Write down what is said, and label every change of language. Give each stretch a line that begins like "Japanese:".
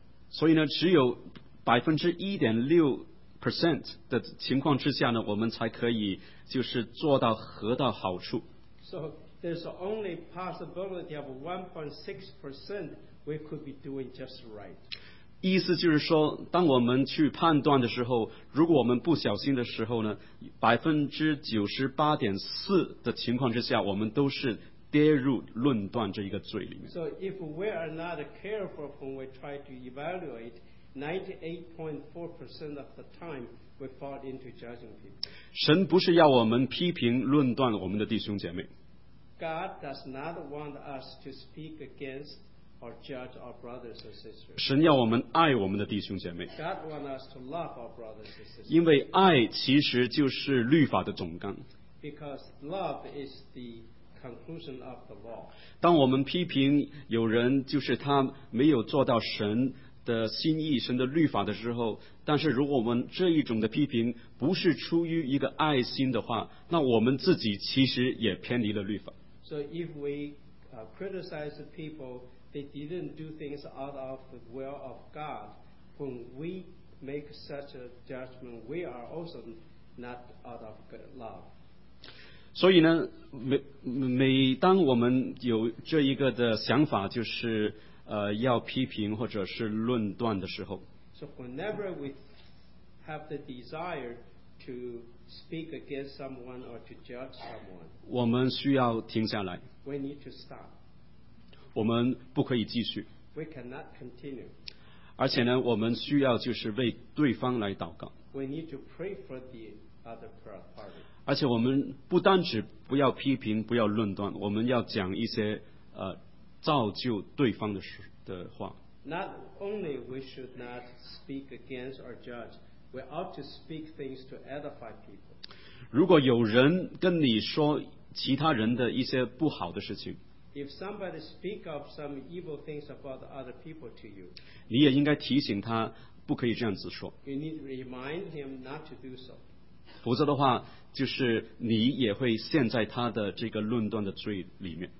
Chinese: 所以呢，只有1.6%的情况之下呢，我们才可以就是做到合到好处。
English: So there's only possibility of 1.6% we could be doing just right.
Chinese: 意思就是说，当我们去判断的时候，如果我们不小心的时候呢，98.4%的情况之下，我们都是跌入论断这一个罪里面。
English: So if we are not careful when we try to evaluate, 98.4% of the time we fall into judging people.
Chinese: 神不是要我们批评论断我们的弟兄姐妹。
English: God does not want us to speak against or judge our brothers or sisters.
Chinese: 神要我们爱我们的弟兄姐妹。
English: God wants us to love our brothers and sisters.
Chinese: 因为爱其实就是律法的总纲。
English: Because love is the conclusion of the law.
Chinese: 当我们批评有人，就是他没有做到神的心意、神的律法的时候，但是如果我们这一种的批评不是出于一个爱心的话，那我们自己其实也偏离了律法。
English: So if we criticize people, they didn't do things out of the will of God. When we make such a judgment, we are also not out of love.
Chinese: 所以呢，每当我们有这一个的想法，就是要批评或者是论断的时候。
English: So whenever we have the desire to speak against someone or to judge someone,
Chinese: 我们需要停下来。
English: We need to stop.
Chinese: 我们不可以继续。
English: We cannot continue.
Chinese: 而且呢，我们需要就是为对方来祷告。
English: We need to pray for the other party.
Chinese: 而且我们不单只不要批评，不要论断，我们要讲一些造就对方的话。
English: Not only we should not speak against or judge, we ought to speak things to edify people.
Chinese: 如果有人跟你说其他人的一些不好的事情，
English: If somebody speak of some evil things about other people to you,
Chinese: 你也应该提醒他不可以这样子说。
English: You need to remind him not to do so.
Chinese: 否则的话，就是你也会陷在他的这个论断的罪里面。